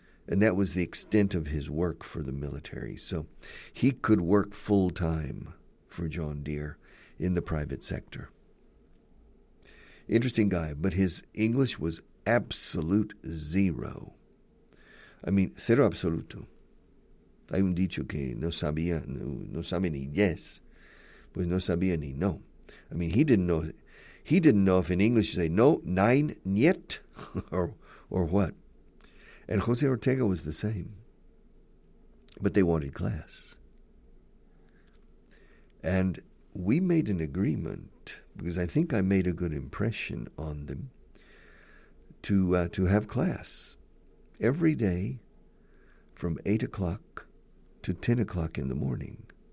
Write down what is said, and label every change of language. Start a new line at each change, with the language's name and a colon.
English: And that was the extent of his work for the military. So he could work full-time for John Deere in the private sector. Interesting guy, but his English was absolute zero. I mean,
Spanish: cero absoluto. Hay un dicho que no sabía ni yes, pues no sabía ni no.
English: I mean, he didn't know if in English you say no, nein, niet, or what. And Jose Ortega was the same. But they wanted class. And we made an agreement, because I think I made a good impression on them, to have class every day from 8 o'clock to 10 o'clock in the morning.